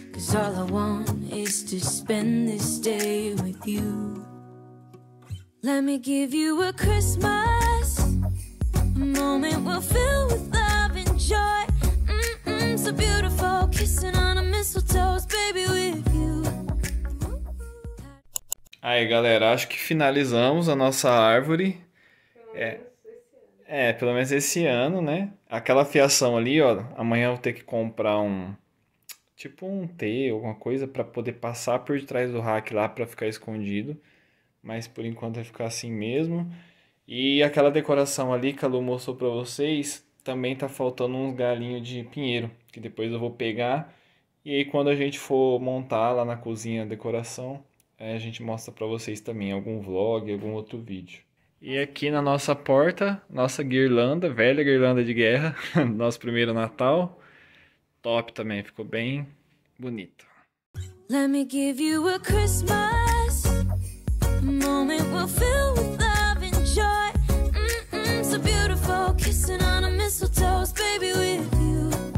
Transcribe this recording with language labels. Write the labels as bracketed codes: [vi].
[en] Cause all I want is to spend this day with you. Let me give you a Christmas, a moment we'll fill with love and joy. So beautiful, kissing on a mistletoe, baby, with you. [pt] Aí, galera, acho que finalizamos a nossa árvore. É. É, pelo menos esse ano, né? Aquela fiação ali, ó. Amanhã eu vou ter que comprar um. Tipo um T, alguma coisa, pra poder passar por detrás do rack lá pra ficar escondido. Mas por enquanto vai ficar assim mesmo. E aquela decoração ali que a Lu mostrou pra vocês, também tá faltando uns galinhos de pinheiro. Que depois eu vou pegar. E aí quando a gente for montar lá na cozinha a decoração, é, a gente mostra pra vocês também algum vlog, algum outro vídeo. E aqui na nossa porta, nossa guirlanda, velha guirlanda de guerra, nosso primeiro Natal. Top também, ficou bem bonito. [en] Let me give you a Christmas, a moment we'll fill with love and joy. So beautiful, kissing on a mistletoe, baby, with you.